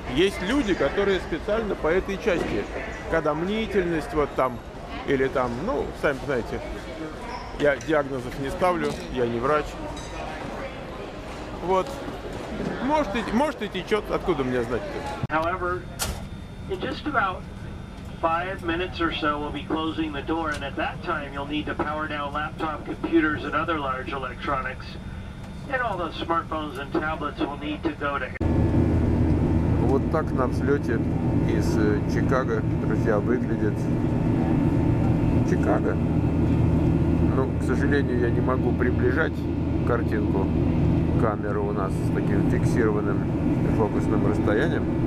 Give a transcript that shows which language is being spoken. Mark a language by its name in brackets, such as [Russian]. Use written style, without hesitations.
[Russian] Есть люди, которые специально по этой части, когда мнительность вот там, или там, ну, сами знаете, я диагнозов не ставлю, я не врач. Вот. Может и течет, откуда мне знать-то. [English] However, in just about 5 minutes or so we'll be closing the door, and at that time you'll need to power down laptop computers and other large electronics, and all those smartphones and tablets will need to go to. [Russian] Вот так на взлете из Чикаго, друзья, выглядит Чикаго. Ну, к сожалению, я не могу приближать картинку. Камеру у нас с таким фиксированным фокусным расстоянием.